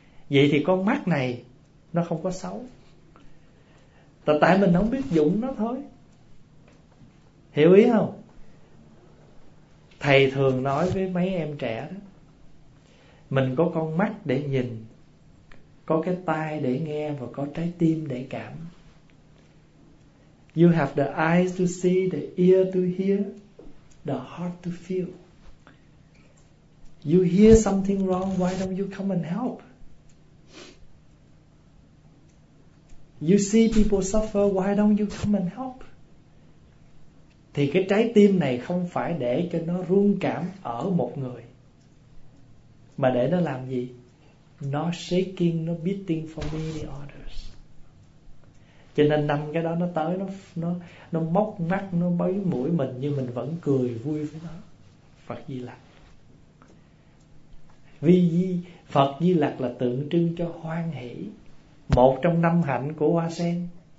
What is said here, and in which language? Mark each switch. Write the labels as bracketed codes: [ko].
[vi] Vậy thì con mắt này nó không có xấu, tại mình không biết dụng nó thôi. Hiểu ý không? Thầy thường nói với mấy em trẻ đó, mình có con mắt để nhìn, có cái tai để nghe, và có trái tim để cảm. [en] You have the eyes to see, the ear to hear, the heart to feel. You hear something wrong, why don't you come and help? You see people suffer, why don't you come and help? [vi] Thì cái trái tim này không phải để cho nó rung cảm ở một người, mà để nó làm gì? [en] Nó shaking, nó beating for many others. [vi] Cho nên năm cái đó nó tới, nó móc mắt, nó bấy mũi mình, nhưng mình vẫn cười vui với nó. Phật Di Lặc. Vì Phật Di Lặc là tượng trưng cho hoan hỷ, một trong năm hạnh của hoa sen.